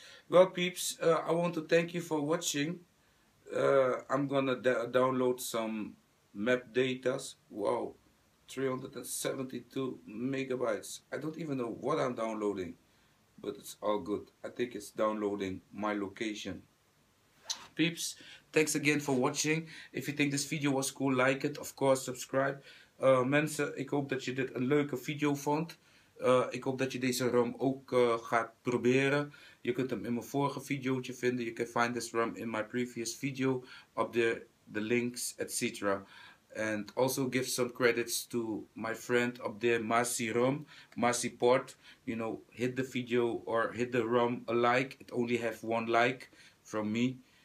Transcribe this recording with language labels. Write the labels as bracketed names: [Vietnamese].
[English] Well, peeps, I want to thank you for watching. I'm gonna download some map datas. Wow, 372 megabytes. I don't even know what I'm downloading, but it's all good. I think it's downloading my location. Peeps, thanks again for watching. If you think this video was cool, like it. Of course, subscribe. [Dutch] Mensen, ik hoop dat je dit een leuke video vond. Ik hoop dat je deze ROM ook gaat proberen. Je kunt hem in mijn vorige videootje vinden. [English] You can find this ROM in my previous video. Up there, the links, etc. And also give some credits to my friend up there, MarciRom, MarciPort. You know, hit the video or hit the ROM a like. It only have one like from me.